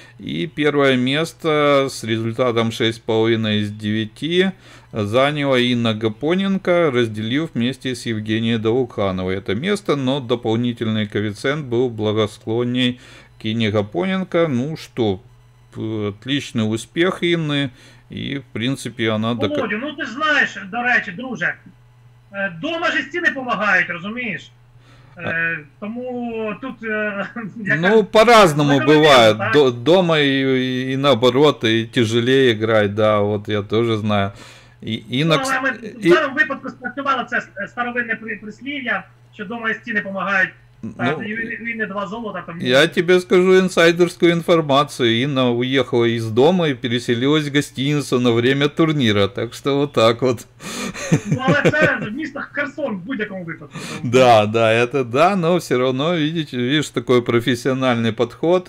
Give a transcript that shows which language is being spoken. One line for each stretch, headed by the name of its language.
Russian: И первое место с результатом 6,5 из 9 заняла Инна Гапоненко, разделив вместе с Евгенией Долухановой это место. Но дополнительный коэффициент был благосклонней к Инне Гапоненко. Ну что, отличный успех Инны. И в принципе она... Володя, ну ты знаешь,
Ukrainian: до речи, друже... Дома же стіни допомагають, розумієш? Тому тут... Ну, по-разному буває. Дома і наоборот, і тяжелее грати, да, от я теж знаю. В даному випадку спрацювало це старовинне прислів'я, що дома стіни допомагають. Ну,
Russian: я тебе скажу инсайдерскую информацию. Инна уехала из дома и переселилась в гостиницу на время турнира. Так что вот так вот. Ну, а это
Ukrainian: в Херсон, в будь-якому випадку.
Russian: Да, да, это да, но все равно, видишь, такой профессиональный подход.